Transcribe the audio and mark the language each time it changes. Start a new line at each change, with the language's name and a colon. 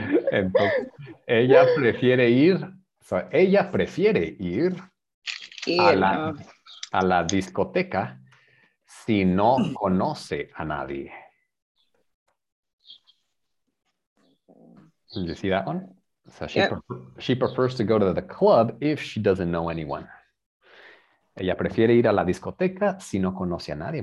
Spanish: Entonces, ella prefiere ir a la discoteca si no conoce a nadie.
English: Did you see that one? So she prefers to go to the club if she doesn't know anyone.
Spanish: Ella prefiere ir a la discoteca si no conoce a nadie.